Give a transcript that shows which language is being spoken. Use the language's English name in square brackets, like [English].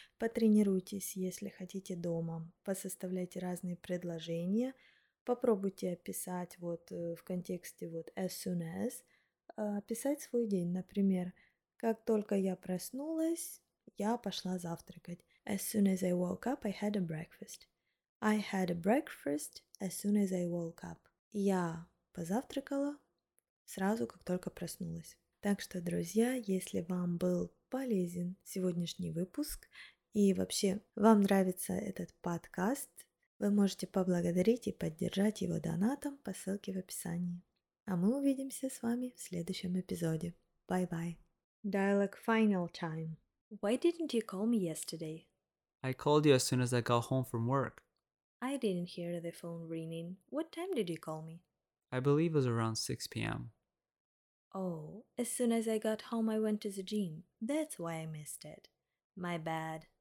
[Russian] Потренируйтесь, если хотите дома, посоставляйте разные предложения, попробуйте описать вот в контексте вот as soon as, описать свой день, например, как только я проснулась, я пошла завтракать. [English] As soon as I woke up, I had a breakfast. I had a breakfast as soon as I woke up. [Russian] Я позавтракала сразу, как только проснулась. Так что, друзья, если вам был полезен сегодняшний выпуск и вообще вам нравится этот подкаст, вы можете поблагодарить и поддержать его донатом по ссылке в описании. А мы увидимся с вами в следующем эпизоде. [English] Bye-bye. Dialogue final time. Why didn't you call me yesterday? I called you as soon as I got home from work. I didn't hear the phone ringing. What time did you call me? I believe it was around 6 p.m. Oh, as soon as I got home, I went to the gym. That's why I missed it. My bad.